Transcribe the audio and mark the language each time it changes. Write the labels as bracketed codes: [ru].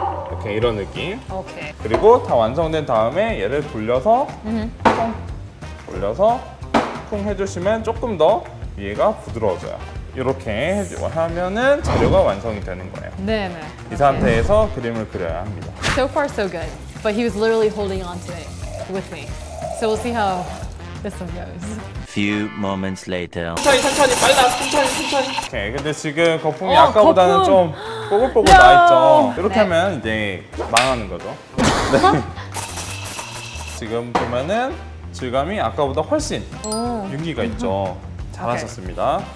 [ko] 이렇게 이런 느낌. 오케이. 그리고 다 완성된 다음에 얘를 돌려서 퉁 올려서 퉁 해주시면 조금 더 얘가 부드러워져요. 이렇게 하면은 재료가 완성이 되는 거예요. 네네. 이 상태에서 오케이. 그림을 그려야 합니다. [en] So far so good. But he was literally holding on to it with me. So we'll see how this one goes. Few moments later. [ko] 천천히, 천천히, 빨라, 천천히, 천천히. 오케이, 근데 지금 거품이 아까보다는 거품. 좀 뽀글뽀글 no. 나있죠? 이렇게 네. 하면 이제 망하는 거죠. 네. 지금 보면은 질감이 아까보다 훨씬 윤기가 있죠. 잘하셨습니다.